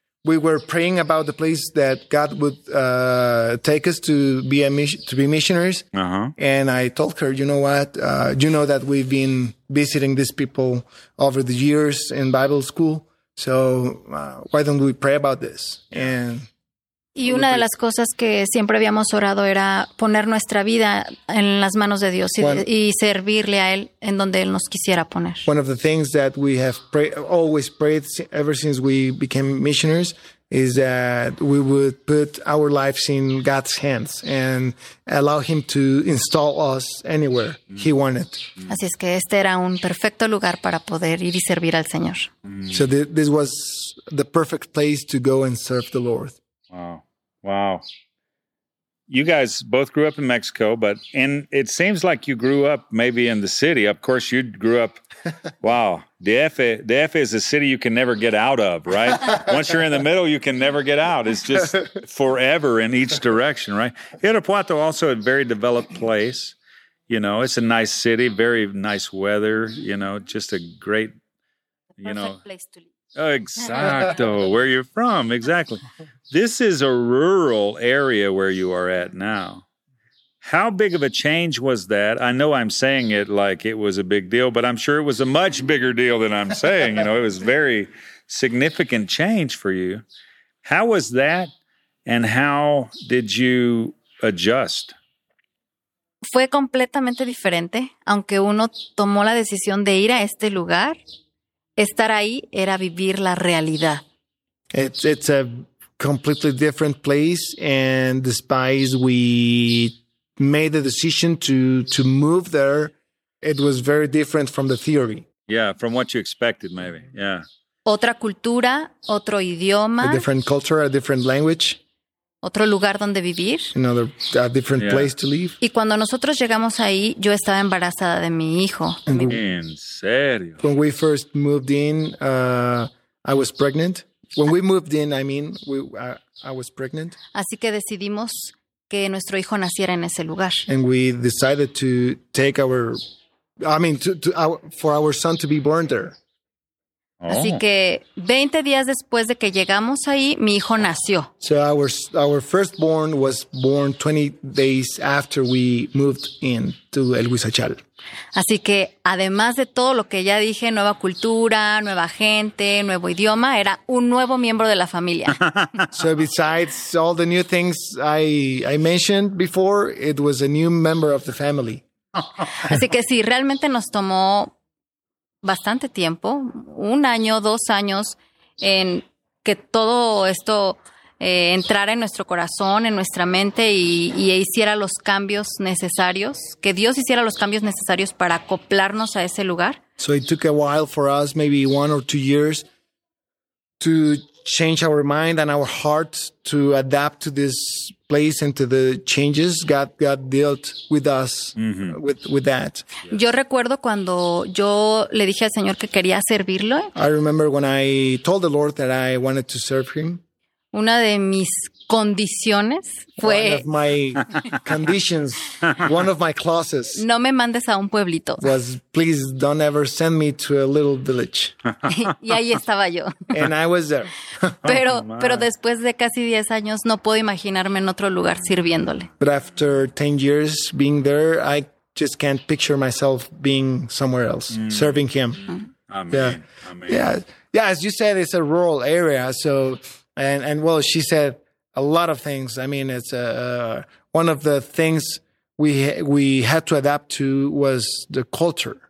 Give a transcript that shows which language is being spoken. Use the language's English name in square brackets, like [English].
[English] We were praying about the place that God would take us to be missionaries. Uh-huh. And I told her, you know what? You know that we've been visiting these people over the years in Bible school. So why don't we pray about this? And [Spanish] y una de las cosas que siempre habíamos orado era poner nuestra vida en las manos de Dios y servirle a Él en donde Él nos quisiera poner. [English] One of the things that we have always prayed ever since we became missionaries is that we would put our lives in God's hands and allow Him to install us anywhere He wanted. [Spanish] Así es que este era un perfecto lugar para poder ir y servir al Señor. [English] So this was the perfect place to go and serve the Lord. Wow. Wow. You guys both grew up in Mexico, but it seems like you grew up maybe in the city. Of course, you grew up. Wow. DF is a city you can never get out of, right? Once you're in the middle, you can never get out. It's just forever in each direction, right? Irapuato, also a very developed place. You know, it's a nice city, very nice weather, you know, just a great, you know. Perfect place to live. Exacto, where you're from, exactly. This is a rural area where you are at now. How big of a change was that? I know I'm saying it like it was a big deal, but I'm sure it was a much bigger deal than I'm saying. You know, it was very significant change for you. How was that, and how did you adjust? [Spanish] Fue completamente diferente, aunque uno tomó la decisión de ir a este lugar. Estar ahí era vivir la realidad. [English] It's a completely different place, and despite we made the decision to move there, it was very different from the theory. Yeah, from what you expected, maybe. Yeah. [Spanish] Otra cultura, otro idioma. [English] A different culture, a different language. [Spanish] Otro lugar donde vivir. [English] Another, a different yeah. place to live. [Spanish] Y cuando nosotros llegamos ahí, yo estaba embarazada de mi hijo. En serio. [English] When we first moved in, I was pregnant. When we moved in, I mean, I was pregnant. [Spanish] Así que decidimos que nuestro hijo naciera en ese lugar. [English] And we decided to take our, I mean, to our, for our son to be born there. [Spanish] Así que 20 días después de que llegamos ahí, mi hijo nació. [English] So our firstborn was born 20 days after we moved into El Huizachal. [Spanish] Así que además de todo lo que ya dije, nueva cultura, nueva gente, nuevo idioma, era un nuevo miembro de la familia. [English] So besides all the new things I mentioned before, it was a new member of the family. [Spanish] Así que sí, realmente nos tomó bastante tiempo, un año, dos años, en que todo esto entrara en nuestro corazón, en nuestra mente y hiciera los cambios necesarios, que Dios hiciera los cambios necesarios para acoplarnos a ese lugar. [English] So it took a while for us, maybe one or two years, to change our mind and our heart to adapt to this place and to the changes God dealt with us, mm-hmm. with that. [Spanish] Yo recuerdo cuando yo le dije al Señor que quería servirlo. [English] I remember when I told the Lord that I wanted to serve him. [Spanish] Una de mis condiciones fue... [English] One of my conditions, one of my clauses... [Spanish] No me mandes a un pueblito. [English] Was, please don't ever send me to a little village. [Spanish] Y ahí estaba yo. [English] And I was there. [Spanish] Pero después de casi 10 años, no puedo imaginarme en otro lugar sirviéndole. [English] But after 10 years being there, I just can't picture myself being somewhere else, serving him. Amen. Yeah. Amen. Yeah. Yeah, as you said, it's a rural area, so... And well, she said a lot of things. I mean, it's one of the things we had to adapt to was the culture.